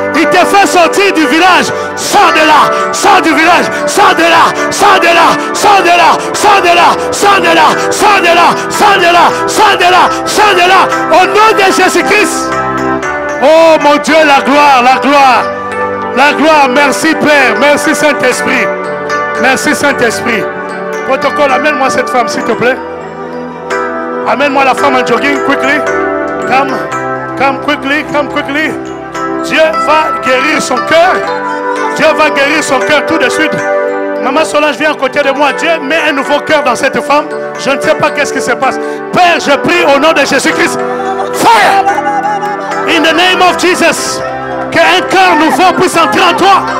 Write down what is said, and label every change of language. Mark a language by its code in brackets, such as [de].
[fr] Il te fait sortir du village. Sors de là, sors du village, sors de là, sors de là, sors de là, sors de là, sors de là, sors de là, sors de là, sors de là, sors de là, au nom de Jésus-Christ. Oh mon Dieu, la gloire, la gloire, la gloire. Merci Père, merci Saint-Esprit, merci Saint-Esprit. Protocole, amène-moi cette femme, s'il te plaît. Amène-moi la femme en jogging, [en] quickly. Come, come quickly, come quickly. [fr] Dieu va guérir son cœur. Dieu va guérir son cœur tout de suite. Maman Solange vient à côté de moi. Dieu met un nouveau cœur dans cette femme. Je ne sais pas qu'est-ce qui se passe. Père, je prie au nom de Jésus-Christ. [en] Fire! In the name of Jesus. [fr] Que un cœur nouveau puisse entrer en toi.